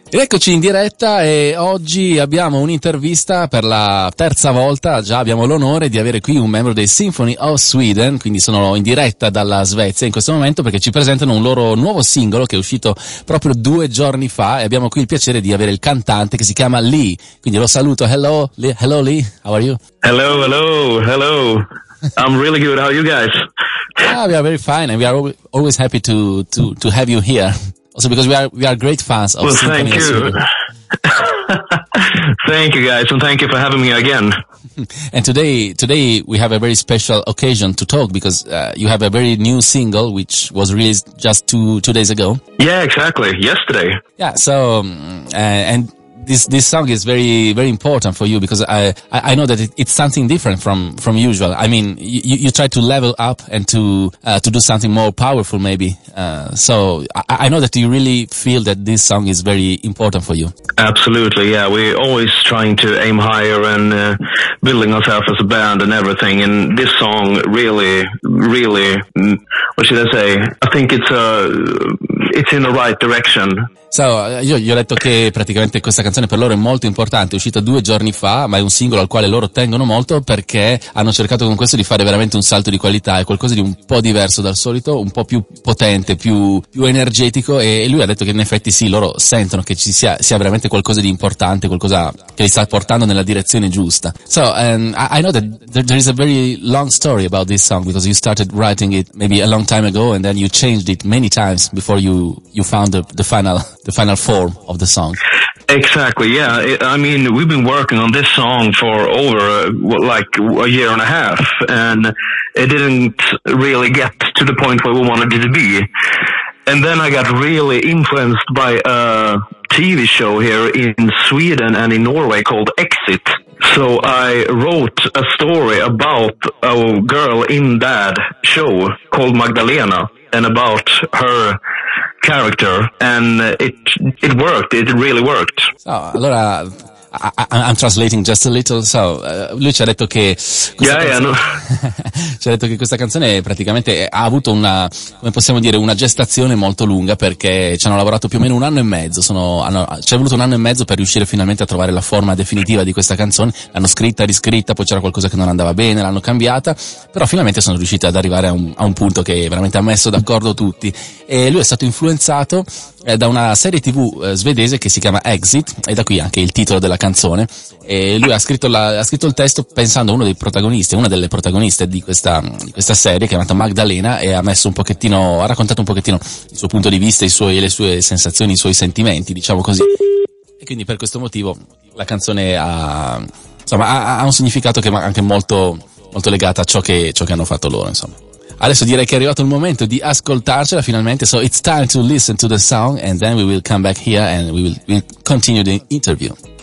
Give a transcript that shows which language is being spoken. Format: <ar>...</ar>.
<it>Ed eccoci in diretta e oggi abbiamo un'intervista per la terza volta, già abbiamo l'onore di avere qui un membro dei Symphony of Sweden, quindi sono in diretta dalla Svezia in questo momento perché ci presentano un loro nuovo singolo che è uscito proprio 2 giorni fa e abbiamo qui il piacere di avere il cantante che si chiama Lee, quindi lo saluto.</it> <en>Hello Lee, hello Lee, how are you? Hello, hello, hello, I'm really good, how are you guys? Ah, we are very fine and we are always happy to have you here. Also because we are great fans of Symphony. Thank you. Thank you guys and thank you for having me again. And today we have a very special occasion to talk because you have a very new single which was released just two days ago. Yeah, exactly. Yesterday. Yeah, so and this song is very very important for you because I know that it's something different from usual. I mean, you try to level up and to do something more powerful maybe. So I know that you really feel that this song is very important for you. Absolutely, yeah. We're always trying to aim higher and building ourselves as a band and everything. And this song really, really, what should I say? I think it's in the right direction.</en> <it>So, io ho letto che praticamente questa canzone per loro è molto importante, è uscita 2 giorni fa, ma è un singolo al quale loro tengono molto perché hanno cercato con questo di fare veramente un salto di qualità, è qualcosa di un po' diverso dal solito, un po' più potente, più energetico, e lui ha detto che in effetti sì, loro sentono che ci sia veramente qualcosa di importante, qualcosa che li sta portando nella direzione giusta.</it> <en>So, I know that there is a very long story about this song because you started writing it maybe a long time ago and then you changed it many times before you found the final form of the song. Exactly, yeah. I mean, we've been working on this song for over like a year and a half and it didn't really get to the point where we wanted it to be. And then I got really influenced by a TV show here in Sweden and in Norway called Exit. So I wrote a story about a girl in that show called Magdalena and about her character, and it worked, it really worked. So allora I'm translating just a little.</en> <it>So lui ci ha detto che ci ha detto che questa canzone praticamente ha avuto una, come possiamo dire, una gestazione molto lunga perché ci hanno lavorato più o meno un anno e mezzo, ci è voluto un anno e mezzo per riuscire finalmente a trovare la forma definitiva di questa canzone, l'hanno scritta, riscritta, poi c'era qualcosa che non andava bene, l'hanno cambiata, però finalmente sono riusciti ad arrivare a un punto che veramente ha messo d'accordo tutti. E lui è stato influenzato da una serie TV svedese che si chiama Exit e da qui anche il titolo della canzone, e lui ha scritto il testo pensando a uno dei protagonisti, una delle protagoniste di questa serie chiamata Magdalena, e ha raccontato un pochettino il suo punto di vista, le sue sensazioni, i suoi sentimenti, diciamo così. E quindi per questo motivo la canzone ha un significato che è anche molto molto legata a ciò che hanno fatto loro, insomma. Adesso direi che è arrivato il momento di ascoltarcela finalmente.</it> <en>So it's time to listen to the song and then we will come back here and we'll continue the interview.</en>